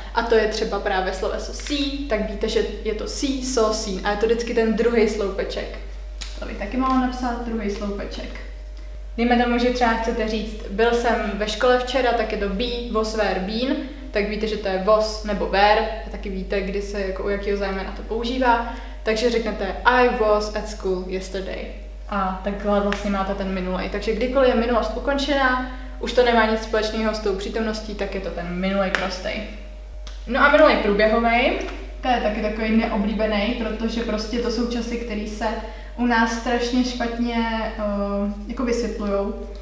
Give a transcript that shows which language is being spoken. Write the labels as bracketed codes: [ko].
[cs] A to je třeba právě sloveso see, tak víte, že je to [en] see, so, seen. [cs] A je to vždycky ten druhý sloupeček. To bych taky mohla napsat, druhý sloupeček. Dejme tomu, že třeba chcete říct, byl jsem ve škole včera, tak je to [en] be, was, where, been. [cs] Tak víte, že to je was nebo where. A taky víte, kdy se jako u jakého zájmena to používá. Takže řeknete [en] I was at school yesterday. [cs] A takhle vlastně máte ten minulej. Takže kdykoliv je minulost ukončená, už to nemá nic společného s tou přítomností, tak je to ten minulej prostej. No a minulej průběhovej, to je taky takový neoblíbený, protože prostě to jsou časy, které se u nás strašně špatně jako vysvětlujou.